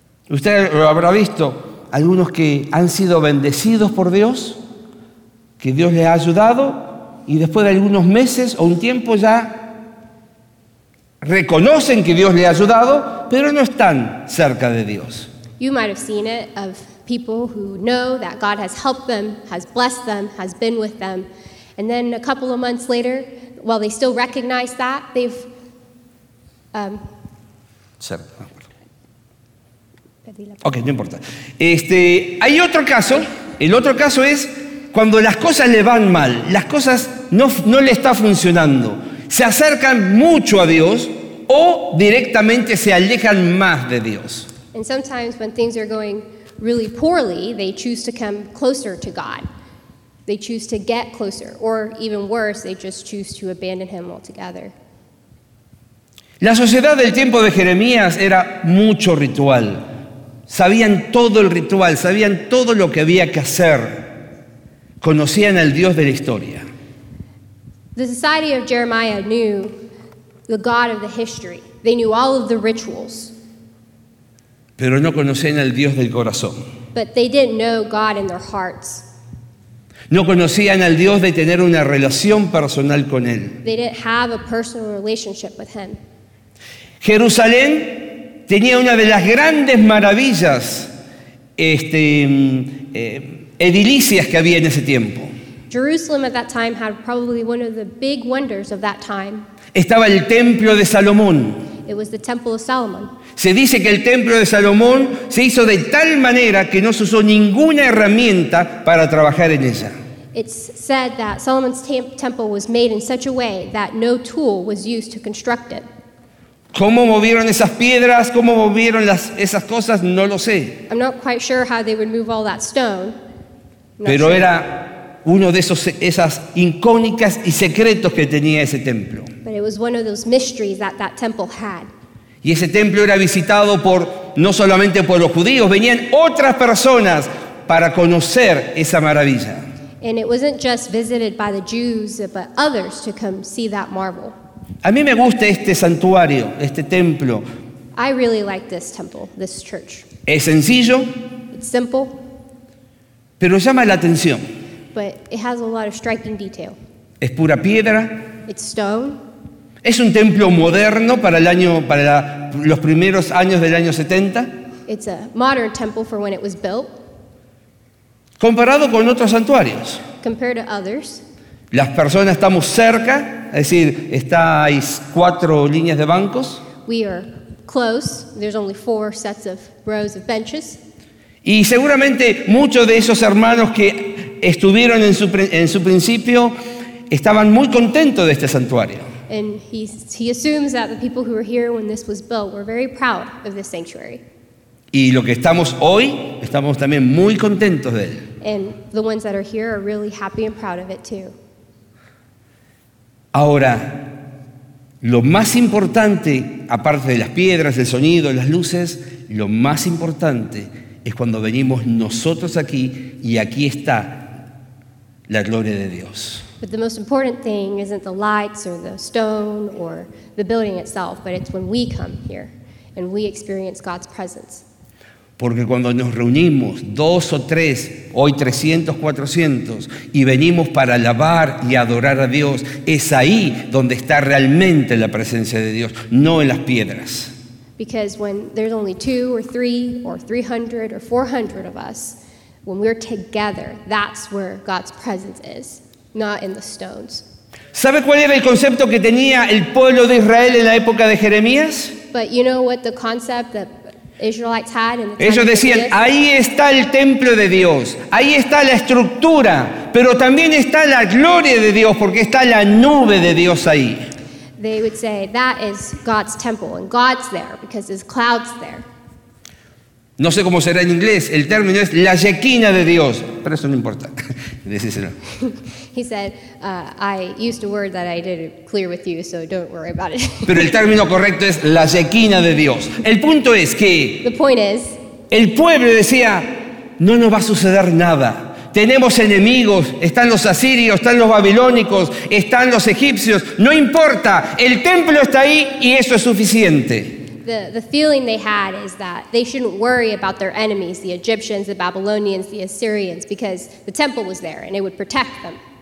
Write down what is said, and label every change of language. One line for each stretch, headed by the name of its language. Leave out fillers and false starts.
Spanish: Usted lo habrá visto, algunos que han sido bendecidos por Dios, que Dios les ha ayudado, y después de algunos meses o un tiempo ya reconocen que Dios les ha ayudado, pero no están cerca de Dios.
English: You might have seen it of people who know that God has helped them, has blessed them, has been with them. And then a couple of months later, while they still recognize that,
Spanish: no importa. Hay otro caso. El otro caso es cuando las cosas le van mal, las cosas no le están funcionando. Se acercan mucho a Dios o directamente se alejan más de Dios.
English: And sometimes when things are going really poorly, they choose to come closer to God. They choose to get closer, or even worse, they just choose to abandon him altogether.
Spanish: La sociedad del tiempo de Jeremías era mucho ritual. Sabían todo el ritual, sabían todo lo que había que hacer. Conocían al Dios de la historia.
English: The society of Jeremiah knew the God of the history. They knew all of the rituals.
Spanish: Pero no conocían al Dios del corazón.
English: But they didn't know God in their hearts.
Spanish: No conocían al Dios de tener una relación personal con Él.
English: They didn't have a personal relationship with him.
Spanish: Jerusalén tenía una de las grandes maravillas edilicias que había en ese tiempo.
English: Jerusalem at that time had probably one of the big wonders of that time.
Spanish: Estaba el Templo de Salomón.
English: It was the Temple of Solomon.
Spanish: Se dice que el templo de Salomón se hizo de tal manera que no se usó ninguna herramienta para trabajar en ella.
English: It's said that Solomon's temple was made in such a way that no tool was used to construct it.
Spanish: ¿Cómo movieron esas piedras? ¿Cómo movieron esas cosas? No lo sé.
English: I'm not quite sure how they would move all that stone.
Spanish: Pero era uno de esas incógnitas y secretos que tenía ese templo.
English: But it was one of those mysteries that that temple had.
Spanish: Y ese templo era visitado no solamente por los judíos, venían otras personas para conocer esa maravilla.
English: And it wasn't just visited by the Jews, but others to come see that marvel.
Spanish: A mí me gusta este santuario, este templo.
English: I really like this temple, this church.
Spanish: Es sencillo.
English: It's simple.
Spanish: Pero llama la atención.
English: But it has a lot of striking detail.
Spanish: Es pura piedra.
English: It's stone.
Spanish: Es un templo moderno los primeros años del año 70.
English: It's a modern temple for when it was built.
Spanish: Comparado con otros santuarios.
English: Compared to others.
Spanish: Las personas estamos cerca, es decir, hay cuatro líneas de bancos.
English: We are close. There's only four sets of rows of benches.
Spanish: Y seguramente muchos de esos hermanos que estuvieron en su principio estaban muy contentos de este santuario.
English: And he assumes that the people who were here when this was built were very proud of this sanctuary.
Spanish: Y lo que estamos hoy, estamos también muy contentos de él.
English: And the ones that are here are really happy and proud of it too.
Spanish: Ahora, lo más importante, aparte de las piedras, el sonido, las luces, lo más importante es cuando venimos nosotros aquí y aquí está la gloria de Dios.
English: But the most important thing isn't the lights or the stone or the building itself, but it's when we come here and we experience God's presence.
Spanish: Porque cuando nos reunimos dos o tres, hoy 300, 400, y venimos para alabar y adorar a Dios, es ahí donde está realmente la presencia de Dios, no en las piedras.
English: Because when there's only two or three or 300 or 400 of us, when we're together, that's where God's presence is, not in the stones.
Spanish: ¿Sabe cuál era el concepto que tenía el pueblo de Israel en la época de Jeremías?
English: But you know what the concept that Israelites had in the time.
Spanish: Ellos decían, ahí está el templo de Dios, ahí está la estructura, pero también está la gloria de Dios porque está la nube de Dios ahí.
English: They would say, that is God's temple and God's there because there's clouds there.
Spanish: No sé cómo será en inglés, el término es la yequina de Dios, pero eso no importa. Decíselo.
English: He said, I used a word that I didn't clear with you, so don't worry about it.
Spanish: Pero el término correcto es la yequina de Dios. El punto es que
English: the point is,
Spanish: el pueblo decía, no nos va a suceder nada. Tenemos enemigos, están los asirios, están los babilónicos, están los egipcios. No importa, el templo está ahí y eso es suficiente.
English: The feeling they had is that they shouldn't worry about their enemies, the Egyptians, the Babylonians, the Assyrians, because the temple was there and it would protect them.